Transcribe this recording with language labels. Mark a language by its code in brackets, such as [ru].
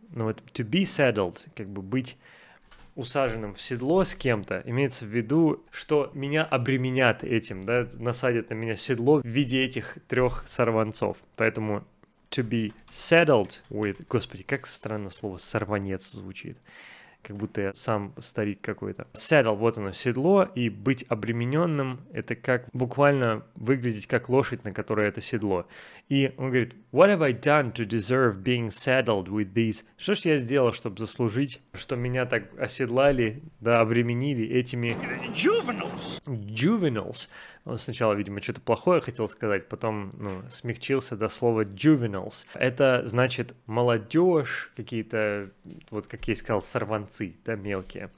[ru] Но вот [en] to be saddled, [ru] как бы быть усаженным в седло с кем-то, имеется в виду, что меня обременят этим, да, насадят на меня седло в виде этих трех сорванцов. Поэтому... [en] To be saddled with... [ru] Господи, как странно слово «сорванец» звучит. Как будто я сам старик какой-то. Saddle — вот оно, седло. И быть обремененным — это как буквально выглядеть как лошадь, на которой это седло. И он говорит, [en] what have I done to deserve being saddled with these... [ru] Что ж я сделал, чтобы заслужить, что меня так оседлали, да, обременили этими... [en] Juveniles. Juveniles. [ru] Он сначала, видимо, что-то плохое хотел сказать, потом, ну, смягчился до слова juveniles. Это значит молодежь, какие-то, вот как я и сказал, сорванцы, да, мелкие.